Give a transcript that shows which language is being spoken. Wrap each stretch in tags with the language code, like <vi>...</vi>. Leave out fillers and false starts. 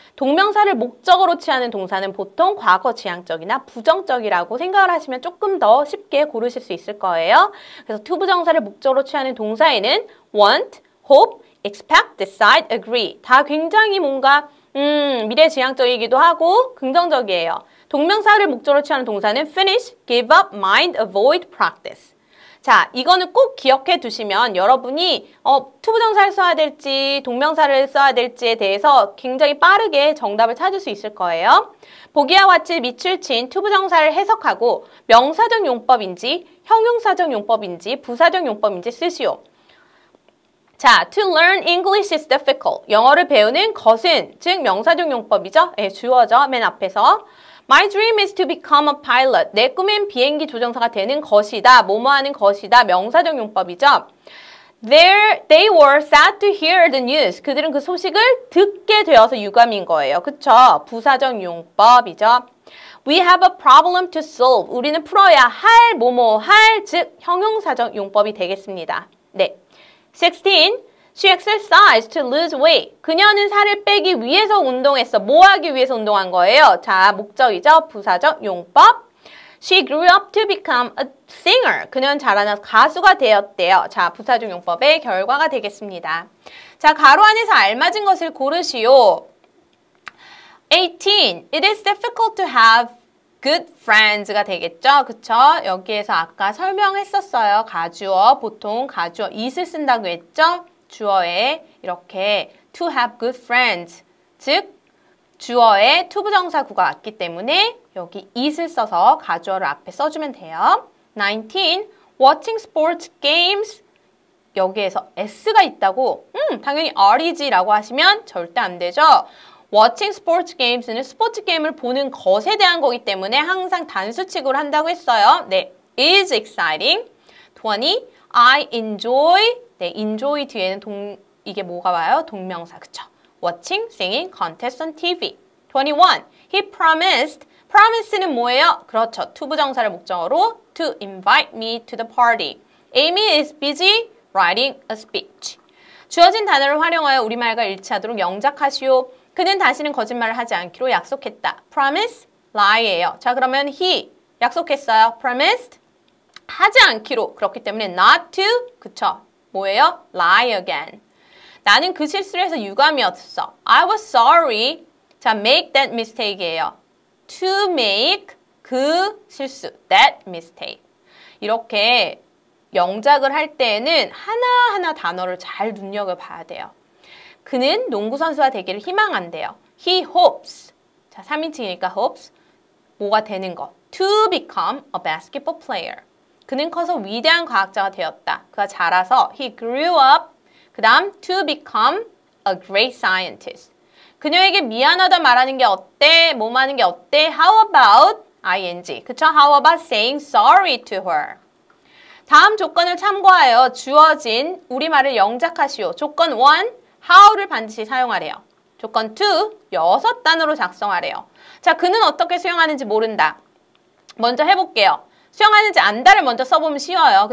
<ko>동명사를 목적으로 취하는 동사는 보통 과거지향적이나 부정적이라고 생각을 하시면 조금 더 쉽게 고르실 수 있을 거예요. 그래서 투부정사를 목적으로 취하는 동사에는 want, hope, expect, decide, agree 다 굉장히 뭔가 미래지향적이기도 하고 긍정적이에요. 동명사를 목적으로 취하는 동사는 finish, give up, mind, avoid, practice. 자, 이거는 꼭 기억해 두시면 여러분이 투부정사를 써야 될지 동명사를 써야 될지에 대해서 굉장히 빠르게 정답을 찾을 수 있을 거예요. 보기와 같이 밑줄 친 투부정사를 해석하고 명사적 용법인지 형용사적 용법인지 부사적 용법인지 쓰시오.</ko> <en>자, to learn English is difficult.</en> <ko>영어를 배우는 것은 즉 명사적 용법이죠. 예, 주어죠. 맨 앞에서.</ko> <en>My dream is to become a pilot.</en> <ko>내 꿈엔 비행기 조종사가 되는 것이다. 뭐뭐 하는 것이다. 명사적 용법이죠.</ko> <en>They were sad to hear the news.</en> <ko>그들은 그 소식을 듣게 되어서 유감인 거예요. 그쵸? 부사적 용법이죠.</ko> <en>We have a problem to solve.</en> <ko>우리는 풀어야 할 뭐뭐 할, 즉 형용사적 용법이 되겠습니다. 네. 16.</ko> <en>She exercised to lose weight.</en> <ko>그녀는 살을 빼기 위해서 운동했어. 뭐 하기 위해서 운동한 거예요? 자, 목적이죠. 부사적 용법.</ko> <en>She grew up to become a singer.</en> <ko>그녀는 자라나서 가수가 되었대요. 자, 부사적 용법의 결과가 되겠습니다. 자, 가로 안에서 알맞은 것을 고르시오. 18.</ko> <en>It is difficult to have good friends가 되겠죠?</en> <ko>그쵸? 여기에서 아까 설명했었어요. 가주어, 보통 가주어, is을 쓴다고 했죠? 주어에 이렇게</ko> <en>to have good friends,</en> <ko>즉 주어에 투부정사 구가 왔기 때문에 여기 is을 써서 가주어를 앞에 써주면 돼요. 19.</ko> <en>Watching sports games</en> <ko>여기에서 s가 있다고 당연히 are이지라고 하시면 절대 안 되죠.</ko> <en>Watching sports games</en> <ko>는 스포츠 게임을 보는 것에 대한 거기 때문에 항상 단수 취급을 한다고 했어요. 네,</ko> <en>is exciting.</en> <ko>20.</ko> <en>I enjoy</en> <ko>네, enjoy 뒤에는 이게 뭐가 와요? 동명사, 그쵸?</ko> <en>Watching, singing, contest on TV. 21. He promised.</en> <ko>Promise는 뭐예요? 그렇죠. 투부정사를 목적으로</ko> <en>to invite me to the party. Amy is busy writing a speech.</en> <ko>주어진 단어를 활용하여 우리말과 일치하도록 영작하시오. 그는 다시는 거짓말을 하지 않기로 약속했다. Promise, lie예요. 자, 그러면</ko> <en>he</en> <ko>약속했어요. Promised, 하지 않기로. 그렇기 때문에</ko> <en>not to,</en> <ko>그쵸?</ko> <en>뭐예요? Lie again.</en> <ko>나는 그 실수를 해서 유감이었어.</ko> <en>I was sorry. 자, make that mistake이에요. To make 그 실수. That mistake.</en> <ko>이렇게 영작을 할 때에는 하나하나 단어를 잘 눈여겨봐야 돼요. 그는 농구 선수가 되기를 희망한대요.</ko> <en>He hopes.</en> <ko>자, 3인칭이니까 hopes. 뭐가 되는 거?</ko> <en>To become a basketball player.</en> <ko>그는 커서 위대한 과학자가 되었다. 그가 자라서</ko> <en>he grew up.</en> <ko>그 다음</ko> <en>to become a great scientist.</en> <ko>그녀에게 미안하다 말하는 게 어때? 뭐 하는 게 어때?</ko> <en>How about ing?</en> <ko>그쵸?</ko> <en>How about saying sorry to her?</en> <ko>다음 조건을 참고하여 주어진 우리말을 영작하시오. 조건 1, how를 반드시 사용하래요. 조건 2, 여섯 단어로 작성하래요. 자, 그는 어떻게 수영하는지 모른다. 먼저 해볼게요. 수영하는지 안다를 먼저 써보면 쉬워요.</ko>